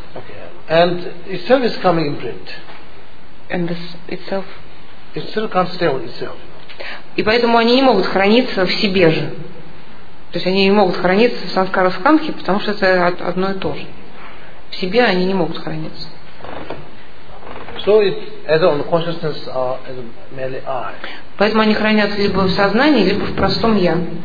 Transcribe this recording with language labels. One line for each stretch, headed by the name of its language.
English: Okay. And itself is karmic imprint. and this itself. It still can't stay on itself.
Russian: И поэтому они не могут храниться в себе же. То есть они не могут храниться в санскаре санхи, потому что это одно и то же. В себе они не могут храниться.
English: So it's either on consciousness or as merely I.
Russian: Поэтому они хранятся либо в сознании, либо в простом я.